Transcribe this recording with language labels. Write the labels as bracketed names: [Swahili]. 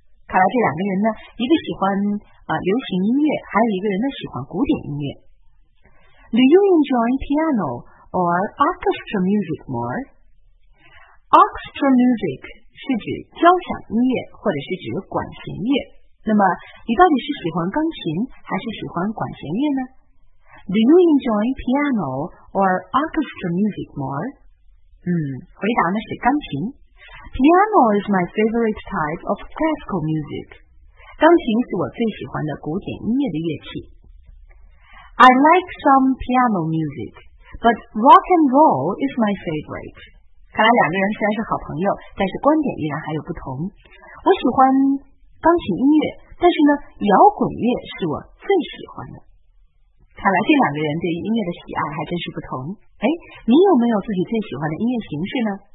[Chinese] 看来这两个人呢，一个喜欢流行音乐，还有一个人呢喜欢古典音乐。 [English] Do you enjoy piano or orchestra music more？ [Chinese] Orchestra music 是指交响音乐或者是指管弦乐。那么你到底是喜欢钢琴还是喜欢管弦乐呢？ [English] Do you enjoy piano or orchestra music more? [Chinese] 回答呢是钢琴。 [English] Piano is my favorite type of classical music. [Chinese] 钢琴是我最喜欢的古典音乐的乐器。 [English] I like some piano music, but rock and roll is my favorite. [Chinese] 看来两个人虽然是好朋友，但是观点依然还有不同。我喜欢钢琴音乐，但是呢，摇滚乐是我最喜欢的。看来这两个人对音乐的喜爱还真是不同。哎，你有没有自己最喜欢的音乐形式呢？